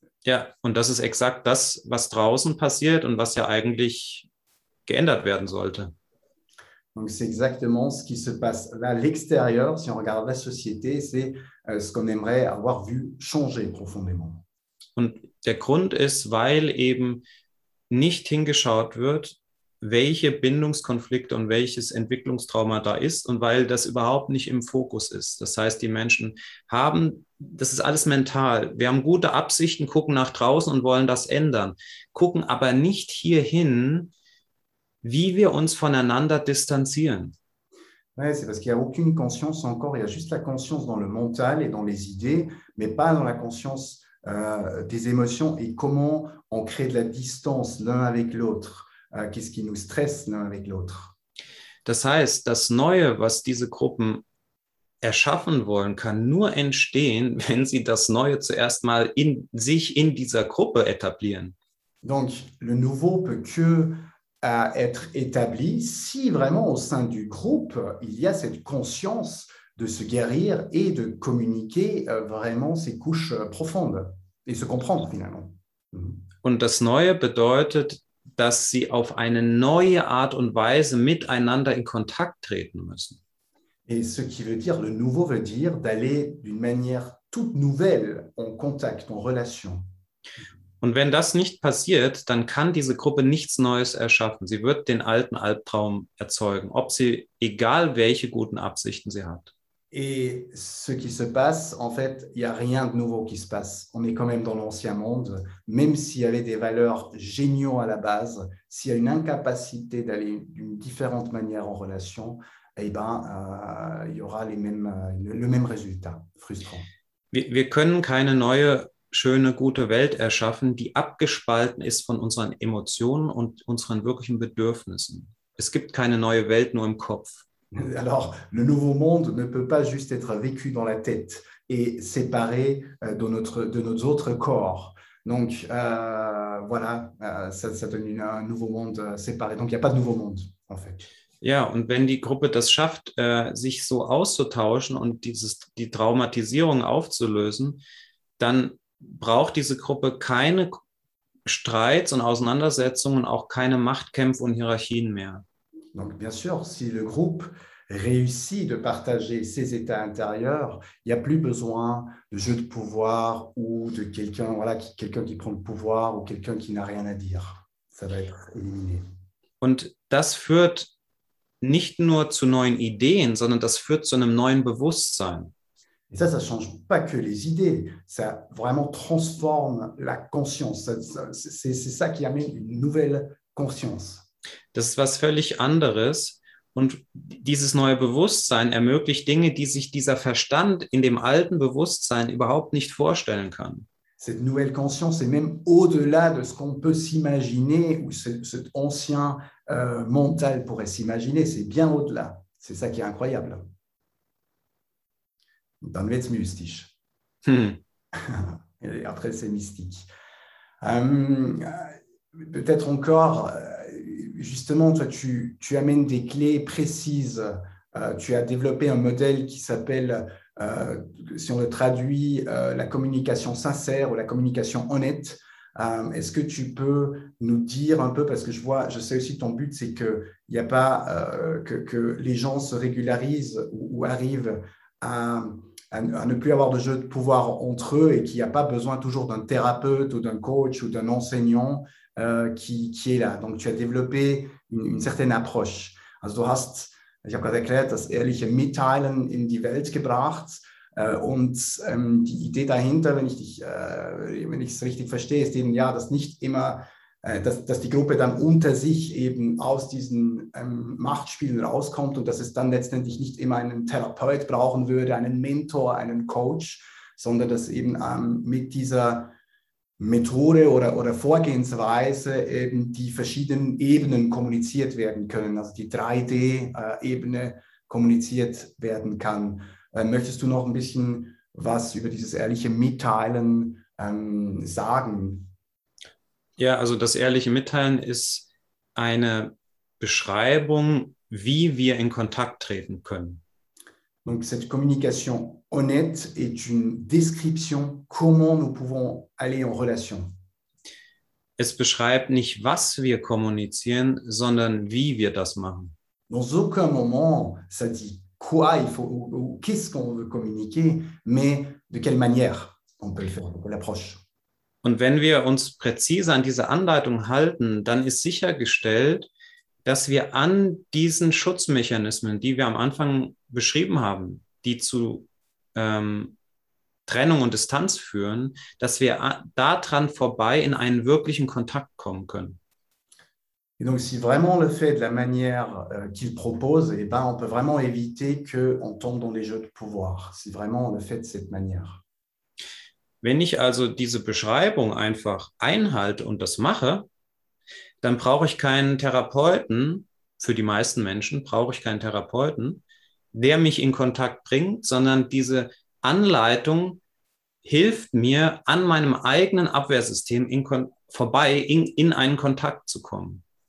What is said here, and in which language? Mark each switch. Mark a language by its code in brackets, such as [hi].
[de] Ja, und das ist exakt das, was draußen passiert und was ja eigentlich geändert werden sollte. [fr] Donc c'est exactement ce qui se passe là à l'extérieur, si on regarde la société, c'est ce qu'on aimerait avoir vu changer profondément. [de] Und der Grund ist, weil eben nicht hingeschaut wird, welche Bindungskonflikte und welches Entwicklungstrauma da ist und weil das überhaupt nicht im Fokus ist. Das heißt, die Menschen haben, das ist alles mental. Wir haben gute Absichten, gucken nach draußen und wollen das ändern, gucken aber nicht hierhin, wie wir uns voneinander distanzieren. [fr] Ouais, c'est parce qu'il n'y a aucune conscience encore, il y a juste la conscience dans le mental et dans les idées, mais pas dans la conscience des émotions et comment on crée de la distance l'un avec l'autre, qu'est-ce qui nous stresse l'un avec l'autre. [de] Das heißt, das Neue, was diese Gruppen erschaffen wollen, kann nur entstehen, wenn sie das Neue zuerst mal in sich in dieser Gruppe etablieren. [fr] Donc, le nouveau peut que à être établi si vraiment au sein du groupe, il y a cette conscience de se guérir et de communiquer vraiment ces couches profondes et se comprendre finalement. [de] Und das Neue bedeutet, dass sie auf eine neue Art und Weise miteinander in Kontakt treten müssen. [fr] Et ce qui veut dire, le nouveau veut dire d'aller d'une manière toute nouvelle en contact, en relation. [de] Und wenn das nicht passiert, dann kann diese Gruppe nichts Neues erschaffen. Sie wird den alten Albtraum erzeugen, ob sie, egal welche guten Absichten sie hat. [fr] Et ce qui se passe, en fait, il n'y a rien de nouveau qui se passe. On est quand même dans l'ancien monde, même s'il y avait des valeurs géniaux à la base, s'il y a une incapacité d'aller d'une différente manière en relation, eh ben, il y aura les mêmes, le même résultat frustrant. [de] Wir können keine neue, schöne, gute Welt erschaffen, die abgespalten ist von unseren Emotionen und unseren wirklichen Bedürfnissen. Es gibt keine neue Welt nur im Kopf. [fr] Alors, le nouveau monde ne peut pas juste être vécu dans la tête et séparé de nos autres corps. Donc, voilà, ça donne un nouveau monde séparé. Donc, il n'y a pas de nouveau monde, en fait. [de] Ja, und wenn die Gruppe das schafft, sich so auszutauschen und die Traumatisierung aufzulösen, dann braucht diese Gruppe keine Streits und Auseinandersetzungen, auch keine Machtkämpfe und Hierarchien mehr. [fr] Donc, bien sûr, si le groupe réussit de partager ses états intérieurs, il n'y a plus besoin de jeu de pouvoir ou de quelqu'un, voilà, quelqu'un qui prend le pouvoir ou quelqu'un qui n'a rien à dire. Ça va être éliminé. [de] Und das führt nicht nur zu neuen Ideen, sondern das führt zu einem neuen Bewusstsein. [fr] Et ça ne change pas que les idées, ça vraiment transforme la conscience. C'est ça qui amène une nouvelle conscience. [de] Das ist was völlig anderes. Und dieses neue Bewusstsein ermöglicht Dinge, die sich dieser Verstand in dem alten Bewusstsein überhaupt nicht vorstellen kann. [fr] Cette nouvelle conscience est même au-delà de ce qu'on peut s'imaginer ou cet ancien mental pourrait s'imaginer. C'est bien au-delà. C'est ça qui est incroyable. [de] Dann wird es mystisch. [fr] Et après, c'est mystique. Peut-être encore, justement, toi, tu amènes des clés précises. Tu as développé un modèle qui s'appelle. Si on le traduit, la communication sincère ou la communication honnête, est-ce que tu peux nous dire un peu, parce que je sais aussi ton but, c'est que y a pas que les gens se régularisent ou arrivent à ne plus avoir de jeu de pouvoir entre eux et qu'il n'y a pas besoin toujours d'un thérapeute ou d'un coach ou d'un enseignant qui est là. Donc tu as développé une certaine approche. [de] Also, ich habe gerade erklärt, das ehrliche Mitteilen in die Welt gebracht. Und die Idee dahinter, wenn ich es richtig verstehe, ist eben ja, dass nicht immer, dass die Gruppe dann unter sich eben aus diesen Machtspielen rauskommt und dass es dann letztendlich nicht immer einen Therapeut brauchen würde, einen Mentor, einen Coach, sondern dass eben mit dieser Methode oder Vorgehensweise eben die verschiedenen Ebenen kommuniziert werden können, also die 3D-Ebene kommuniziert werden kann. Möchtest du noch ein bisschen was über dieses ehrliche Mitteilen sagen? Ja, also das ehrliche Mitteilen ist eine Beschreibung, wie wir in Kontakt treten können. [fr] Donc, cette communication honnête est une description comment nous pouvons aller en relation. [de] Es beschreibt nicht, was wir kommunizieren, sondern wie wir das machen. [fr] Dans aucun moment, ça dit quoi il faut ou qu'est-ce qu'on veut communiquer, mais de quelle manière on peut le faire, l'approche. [de] Und wenn wir uns präzise an diese Anleitung halten, dann ist sichergestellt, dass wir an diesen Schutzmechanismen, die wir am Anfang beschrieben haben, die zu Trennung und Distanz führen, dass wir daran vorbei in einen wirklichen Kontakt kommen können. [fr] Et donc, si vraiment on le fait de la manière qu'il propose, eh ben, on peut vraiment éviter qu'on tombe dans les jeux de pouvoir, si vraiment on le fait de cette manière. [de] Wenn ich also diese Beschreibung einfach einhalte und das mache, dann brauche ich keinen Therapeuten, für die meisten Menschen brauche ich keinen Therapeuten, der mich in Kontakt bringt, sondern diese Anleitung hilft mir, an meinem eigenen Abwehrsystem in einen Kontakt zu kommen.